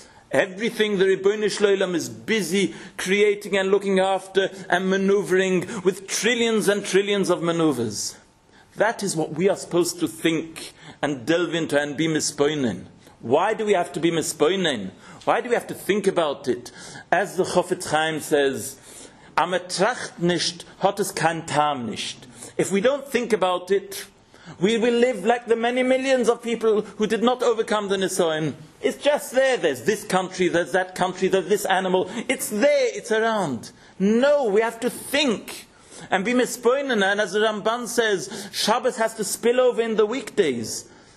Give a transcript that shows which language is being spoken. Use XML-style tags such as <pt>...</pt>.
<en>Everything the Ribbono shel Olam is busy creating and looking after and maneuvering with trillions and trillions of maneuvers. That is what we are supposed to think and delve into and be mispoinen. Why do we have to be mispoinen? Why do we have to think about it? As the Chofetz Chaim says,</en> <yi>Ametracht nicht, hat es kein Tam nicht.</yi> <en>If we don't think about it, we will live like the many millions of people who did not overcome the Nisoyim. It's just there. There's this country, there's that country, there's this animal. It's there, it's around. No, we have to think and be mispoinen. And as the Ramban says, Shabbos has to spill over in the weekdays.</en>